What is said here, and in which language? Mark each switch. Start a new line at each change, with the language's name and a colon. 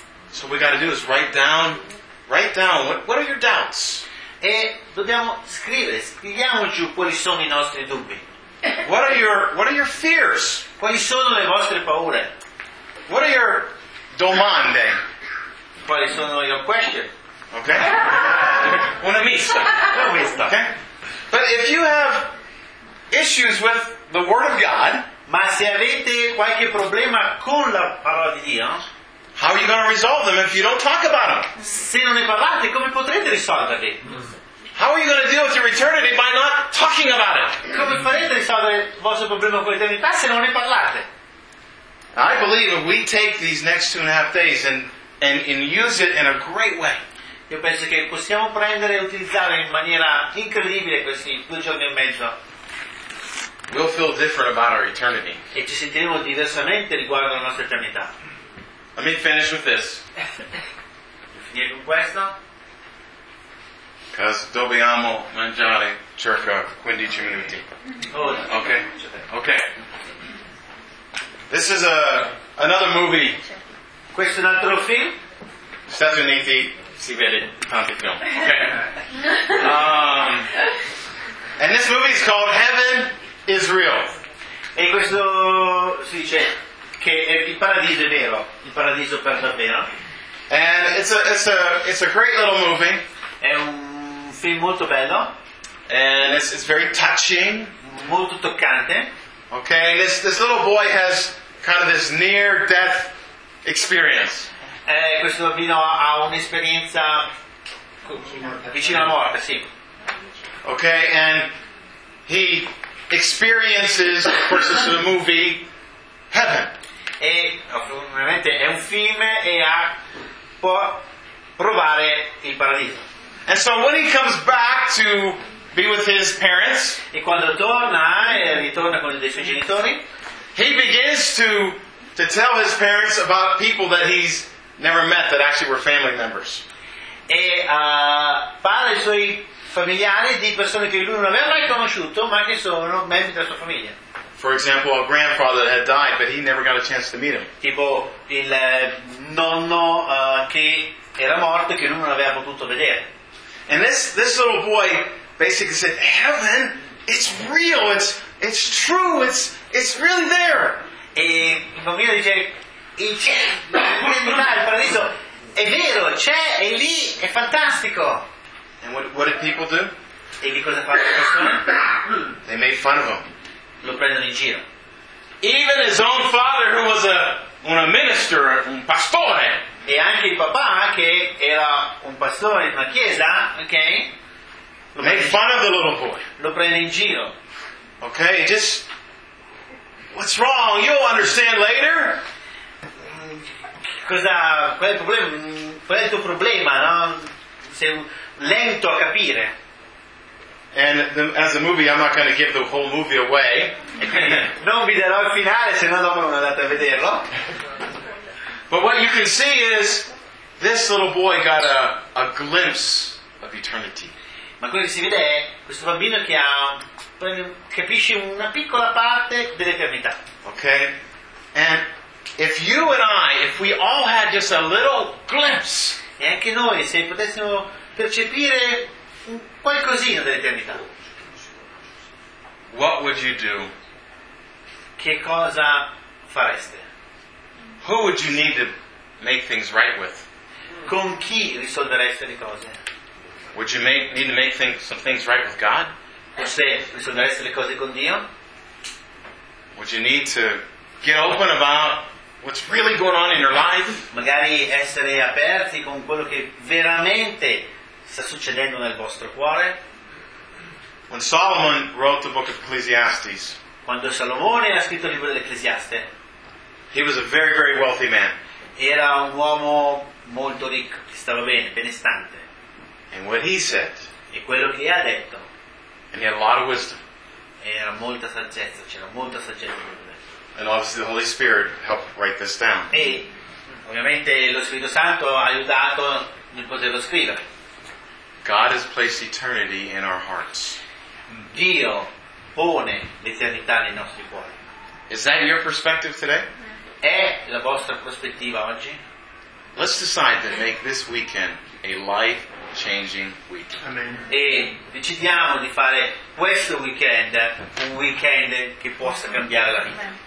English: So we got to do is write down what are your doubts?
Italian: E dobbiamo scrivere, scriviamo giù quali sono I nostri dubbi.
English: What are your fears?
Italian: Quali sono le vostre paure?
English: What are your
Italian: domande? Quali sono le
English: question?
Italian: Okay. Una mista. Okay.
English: But if you have issues with the Word of God,
Italian: ma se avete qualche problema con la parola di Dio,
English: how are you going to resolve them if you don't talk about them?
Italian: Se non ne parlate, come potrete risolverli?
English: How are you going to deal with your eternity by not talking about it?
Italian: Come farete a risolvere il vostro problema con l'eternità se non ne parlate?
English: I believe if we take these next 2.5 days and use it in a great way.
Italian: Io penso che possiamo prendere e utilizzare in maniera incredibile questi 2 giorni e mezzo.
English: We'll feel different about our eternity.
Italian: E ci sentiremo diversamente riguardo alla nostra eternità.
English: Let me finish with this.
Italian: Finire con questo. Cos dobbiamo mangiare circa 15 minuti. Okay. Okay.
English: This is another movie.
Italian: Questo è un altro film. Stati Uniti, si vede tanti film. Okay.
English: And this movie is called Heaven is Real.
Italian: E questo si dice che il paradiso è vero, il paradiso per davvero.
English: And it's a great little movie.
Italian: È un film molto bello.
English: And it's very touching.
Italian: Molto toccante.
English: Okay, and this little boy has kind of this near death experience.
Italian: Questo bambino ha un'esperienza vicino alla morte, sì.
English: Okay, and he experiences, of course, this is a movie, heaven.
Italian: E ovviamente è un film e ha può provare il paradiso.
English: And so when he comes back to be with his parents,
Italian: e quando torna e ritorna con i suoi genitori,
English: he begins to tell his parents about people that he's never met that actually were family members.
Italian: E parla i suoi familiari di persone che lui non aveva mai conosciuto ma che sono membri della sua famiglia.
English: For example, a grandfather had died, but he never got a chance to meet him.
Italian: Tipo il nonno che era morto che lui non aveva potuto vedere.
English: And this little boy basically said, "Heaven, it's real. It's true. It's really there."
Italian: E il bambino dice, il paradiso è vero, c'è, è lì, è fantastico.
English: And what did people do?
Italian: E di cosa fanno le persone?
English: They made fun of him.
Italian: Lo prendono in giro.
English: Even his own father, who was a minister,
Italian: un pastore. E anche il papà, che era un pastore in una chiesa, ok?
English: Make fun of the little boy.
Italian: Lo prende in giro.
English: Okay, just what's wrong? You'll understand later.
Italian: Cosa? Qual è il problema? Qual è il tuo problema? No? Sei lento a capire.
English: And as a movie, I'm not going to give the whole movie away.
Italian: Non vi darò il finale, se no dopo non andate a vederlo.
English: But what you can see is this little boy got a glimpse of eternity.
Italian: Ma quello che si vede è questo bambino che ha capisce una piccola parte dell'eternità.
English: Okay. And if you and I, if we all had just a little glimpse,
Italian: e anche noi se potessimo percepire un qualcosina dell'eternità,
English: what would you do?
Italian: Che cosa fareste?
English: Who would you need to make things right with?
Italian: Con chi risolvereste le cose?
English: Would you need to make some things right with God?
Italian: Forse risolvereste le cose con Dio?
English: Would you need to get open about what's really going on in your life?
Italian: Magari essere aperti con quello che veramente sta succedendo nel vostro cuore?
English: When Solomon wrote the book of Ecclesiastes,
Italian: quando Salomone ha scritto il libro dell'Ecclesiaste,
English: he was a very, very wealthy man.
Italian: Era un uomo molto ricco, che stava bene, benestante.
English: And what he said.
Italian: E quello che ha detto.
English: And he had a lot of wisdom.
Italian: Era molta saggezza, c'era molta saggezza.
English: And obviously the Holy Spirit helped write this down.
Italian: E ovviamente lo Spirito Santo ha aiutato nel poterlo scrivere.
English: God has placed eternity in our hearts.
Italian: Dio pone l'eternità nei nostri cuori.
English: Is that your perspective today?
Italian: È la vostra prospettiva oggi?
English: Let's decide to make this weekend a life-changing weekend.
Italian: E decidiamo di fare questo weekend un weekend che possa cambiare la vita.